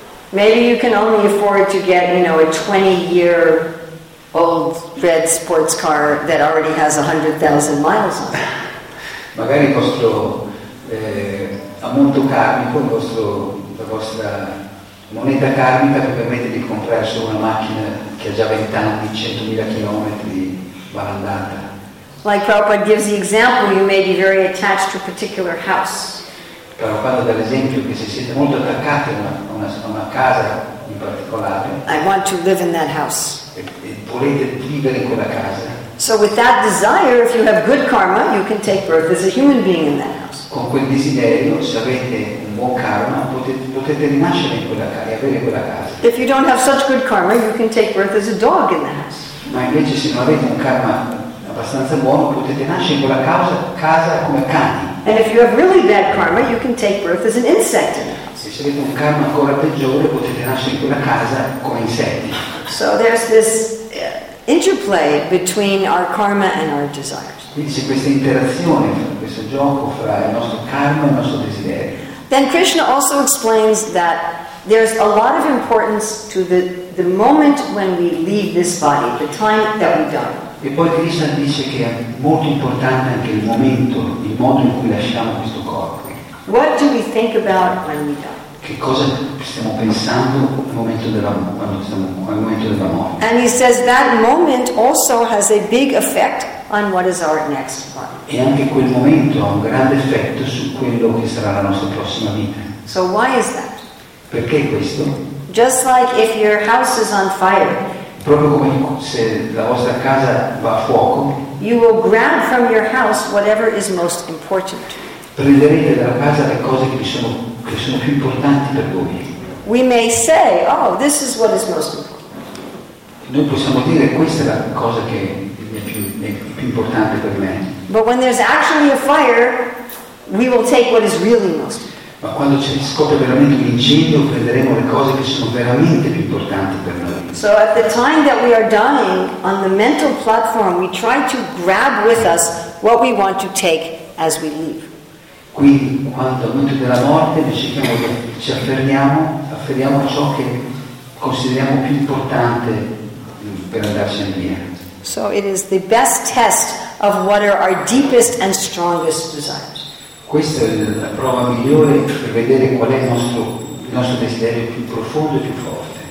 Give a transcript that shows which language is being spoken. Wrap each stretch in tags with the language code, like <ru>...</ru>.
<en>Maybe you can only afford to get, you know, a 20-year old red sports car that already has 100,000 miles on it.</en> <it>Magari il vostro ammonto karmico, la vostra moneta karmica vi permette di comprare solo una macchina che ha già 20 anni, 100.000 km va andata.</it> <en>Like Prabhupada gives the example, you may be very attached to a particular house.</en> <it>Prabhupada dà l'esempio che se siete molto attaccati a una casa in particolare,</it> <en>I want to live in that house.</en> <it>E volete vivere in quella casa.</it> <en>So with that desire, if you have good karma, you can take birth as a human being in that house.</en> <it>Con quel desiderio, se avete un buon karma, potete rinascere in quella casa e avere quella casa.</it> <en>If you don't have such good karma, you can take birth as a dog in the house.</en> <it>Ma invece se non avete un karma abbastanza buono, potete nascere in quella casa come cani.</it> <en>And if you have really bad karma, you can take birth as an insect in the house.</en> <it>E se avete un karma ancora peggiore, potete nascere in quella casa come insetti.</it> <en>So there's this interplay between our karma and our desires.</en> <it>Quindi c'è questa interazione, questo gioco fra il nostro karma e il nostro desiderio.</it> <en>Then Krishna also explains that there's a lot of importance to the moment when we leave this body, the time that we die.</en> <it>E poi Krishna dice che è molto importante anche il momento, il modo in cui lasciamo questo corpo.</it> <en>What do we think about when we die?</en> <it>Che cosa stiamo pensando al momento della morte?</it> <en>And he says that moment also has a big effect on what is our next body.</en> <it>E anche quel momento ha un grande effetto su quello che sarà la nostra prossima vita.</it> <en>So why is that?</en> <it>Perché questo?</it> <en>Just like if your house is on fire.</en> <it>Proprio come se la vostra casa va a fuoco.</it> <en>You will grab from your house whatever is most important.</en> <it>Prenderete dalla casa le cose che sono più importanti per voi.</it> <en>We may say, oh, this is what is most important.</en> <it>Noi possiamo dire, questa è la cosa che è più importante per me.</it> <en>But when there's actually a fire, we will take what is really most important.</en> <it>Ma quando ci scoppia veramente un incendio, prenderemo le cose che sono veramente più importanti per noi.</it> <en>So at the time that we are dying, on the mental platform, we try to grab with us what we want to take as we leave.</en> <it>Quindi quando al momento della morte ci affermiamo, afferriamo ciò che consideriamo più importante per andarsene via.</it> <en>So it is the best test of what are our deepest and strongest desires.</en> <it>Questa è la prova migliore per vedere qual è il nostro desiderio più profondo e più forte.</it>